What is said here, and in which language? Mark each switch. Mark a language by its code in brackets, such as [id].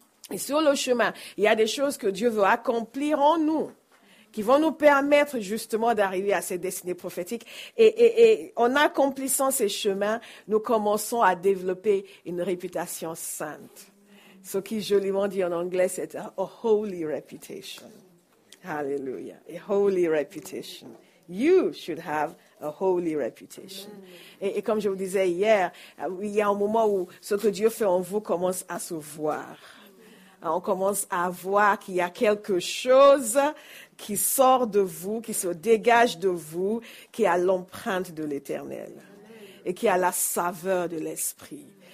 [fr] Et sur le chemin, il y a des choses que Dieu veut accomplir en nous, qui vont nous permettre justement d'arriver à cette destinée prophétique. Et en accomplissant ces chemins, nous commençons à développer une réputation sainte. Ce qui, joliment dit en anglais, c'est « [en] a holy reputation ». Hallelujah. A holy reputation. You should have a holy reputation. [fr] Et comme je vous disais hier, il y a un moment où ce que Dieu fait en vous commence à se voir. On commence à voir qu'il y a quelque chose qui sort de vous, qui se dégage de vous, qui a l'empreinte de l'Éternel et qui a la saveur de l'Esprit.